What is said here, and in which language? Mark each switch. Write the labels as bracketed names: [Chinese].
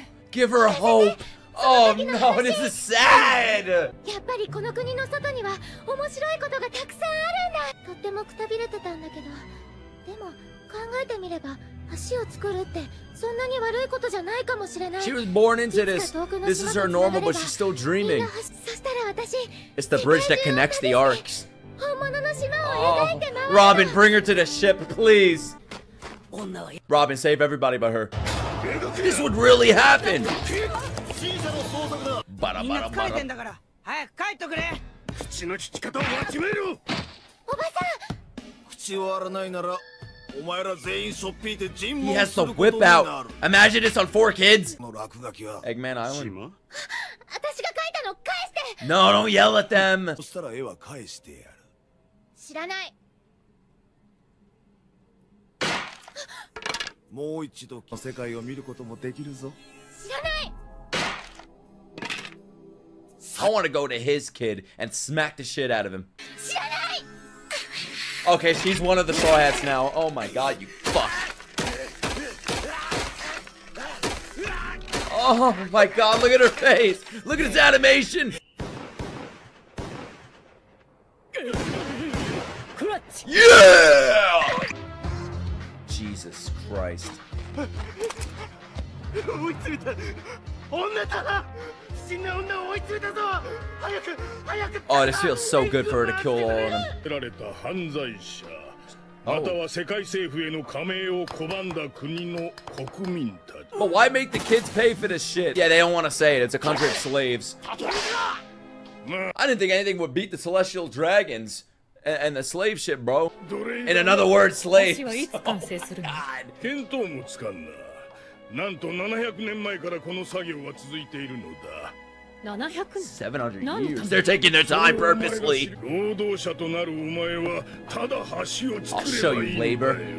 [English] Give her hope. Oh no, this is sad. [Japanese] やっぱりこの国の外には面白いことがたくさんあるんだ。とってもくたびれてたんだけど、でも考えてみれば。橋を作るってそんなに悪いことじゃないかもしれない。 [English] She was born into this. This is her normal, but she's still dreaming. [Japanese] そしたら私。 [English] It's the bridge that connects the arcs. [Japanese] 本物の島を描いて回る。 [English] Robin, bring her to the ship, please. Robin, save everybody but her. This would really happen. [Japanese] バラバラバラ。早く帰ってくれ。口の利き方を始めろ。おばさん。口を割らないなら。お前ら全員そっぴいて尋問することになる。 [English] He has to whip out. Imagine this on four kids. Eggman Island. [Japanese] 私が描いたの返して。 [English] No, don't yell at them. [Japanese] そしたら絵は返してやる。知らない。もう一度この世界を見ることもできるぞ。知らない。 [English] I want to go to his kid and smack the shit out of him. [Japanese] 知らない。 [English] Okay, she's one of the straw hats now. Oh my god, you fuck. Oh my god, look at her face. Look at his animation. Yeah! Jesus Christ. Oh, this feels so good for her to kill all of them. Killed a [Japanese] 犯罪者または世界政府への加盟を拒んだ国の国民たち。 [English] But why make the kids pay for this shit? Yeah, they don't want to say it. It's a country of slaves. I didn't think anything would beat the celestial dragons and the slave ship, bro. In another word, slaves. Oh, God. [Japanese] 見当もつかんな。なんと700年前からこの作業は続いているのだ。 700年。 [English] They're taking their time purposely. [Japanese] 労働者となるお前はただ橋を作ればいいんだよ。